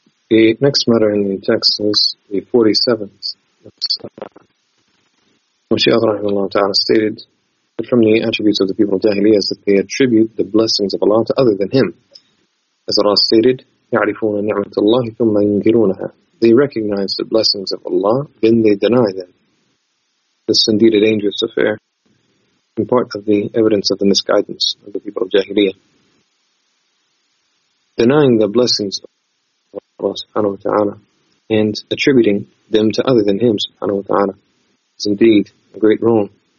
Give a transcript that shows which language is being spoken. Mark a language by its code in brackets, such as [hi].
[en] The next matter in the text is the 47th. Moshe Avraham Allah Ta'ala stated that from the attributes of the people of Jahiliyyah is that they attribute the blessings of Allah to other than Him. As Allah stated, [ar] يَعْرِفُونَ نِعْمَةَ اللَّهِ ثُمَّ يُنْكِرُونَهَا. [en] They recognize the blessings of Allah, then they deny them. This is indeed a dangerous affair, in part of the evidence of the misguidance of the people of Jahiliyyah. Denying the blessings of Allah subhanahu wa ta'ala and attributing them to other than Him subhanahu wa ta'ala is indeed a great wrong.